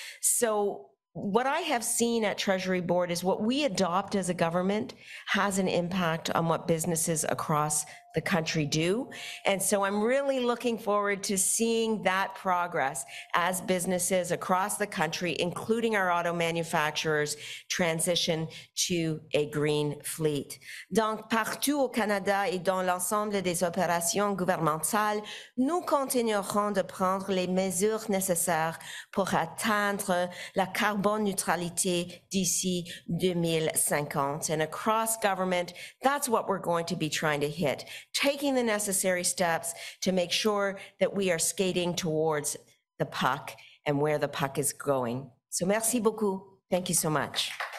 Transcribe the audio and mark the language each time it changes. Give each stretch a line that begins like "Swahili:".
English: So what I have seen at Treasury Board is what we adopt as a government has an impact on what businesses across the country do. And so I'm really looking forward to seeing that progress as businesses across the country, including our auto manufacturers, transition to a green fleet.
French: Donc partout au Canada et dans l'ensemble des opérations gouvernementales, nous continuerons de prendre les mesures nécessaires pour atteindre la carbone neutralité d'ici 2050.
English: And across government, that's what we're going to be trying to hit. Taking the necessary steps to make sure that we are skating towards the puck and where the puck is going. So
French: merci beaucoup.
English: Thank you so much.